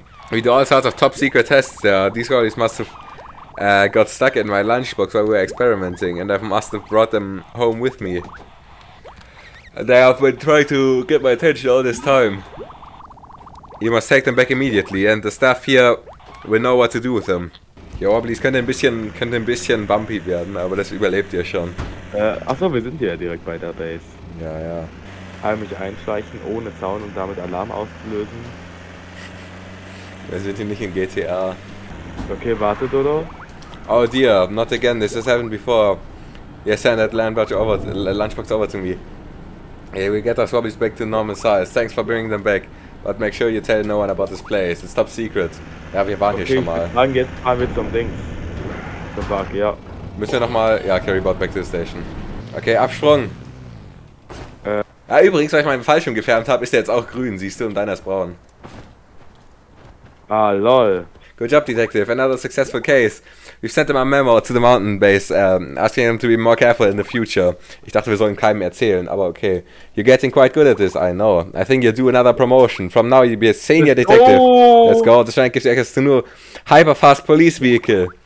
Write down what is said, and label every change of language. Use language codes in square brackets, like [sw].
[en] We do all sorts of top secret tests there. These goblins must have got stuck in my lunchbox while we were experimenting, and I must have brought them home with me. They have been trying to get my attention all this time. You must take them back immediately, and the staff here will know what to do with them. [de] Ja, aber dies könnte ein bisschen bumpy werden, aber das überlebt ihr schon. Achso, wir sind hier ja direkt bei der Base. Ja, ja. Heimlich einschleichen ohne Zaun und damit Alarm auszulösen. Wir sind hier nicht in GTA. Okay, warte, Dodo. [en] Oh dear, not again, this has happened before. Yes, send that lunchbox over to me. Yeah, we get our swabbies back to normal size. Thanks for bringing them back. But make sure you tell no one about this place. It's top secret. [de] Ja, wir waren hier schon mal. Okay, dann geht's mal mit zum Dings. Zum Park, ja. Müssen wir nochmal... [en] Ja, carry board back to the station. Okay, Absprung. [de] Ja, übrigens, weil ich meinen Fallschirm gefärbt habe, ist der jetzt auch grün, siehst du? Und deiner ist braun. Ah, lol. [en] Good job, Detective. Another successful case. we've sent them a memo to the mountain base, asking them to be more careful in the future. [de] Ich dachte, wir sollen keinem erzählen, aber okay. [en] You're getting quite good at this, I know. I think you'll do another promotion. From now, you'll be a senior detective. Oh. Let's go. The strength gives you access to new hyper-fast police vehicle.